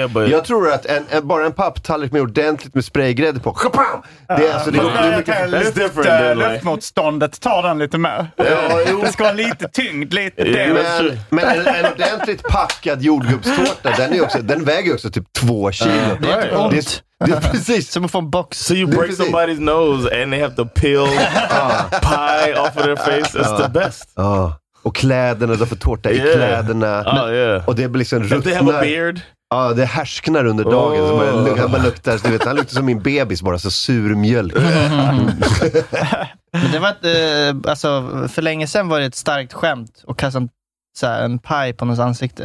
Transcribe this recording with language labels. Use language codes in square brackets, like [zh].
[sv] Jag tror att en papptallrik med ordentligt med spraygrädde på. Det är alltså luftmotståndet tar den lite mer. Ja, det ska vara lite tyngd lite. Men en ordentligt packad jordgubbstårta, den väger också typ 2 kilo. Det är precis som att få en box. [en] So you break somebody's nose and they have to peel pie off of their face. It's the best. [sv] Och kläderna, då får tårta i kläderna. Och det blir liksom ruttnar. [en] If they have a beard. [sv] Ja, det härsknar under dagen. Så man luktar, du vet, han luktar som min bebis, bara så sur mjölk. Men det var ett, alltså, för länge sedan var det ett starkt skämt att kasta en pie på någons ansikte.